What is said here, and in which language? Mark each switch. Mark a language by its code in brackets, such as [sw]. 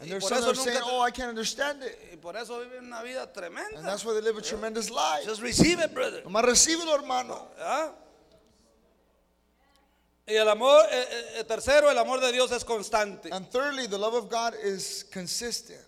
[en] there's some that are saying, oh, I can't understand it. [es] Y por eso viven una vida tremenda. [en] And that's why they live a tremendous life. Just receive it, brother. [es] Recíbelo, hermano. Y el amor, tercero, el amor de Dios es constante. [en] And thirdly, the love of God is consistent.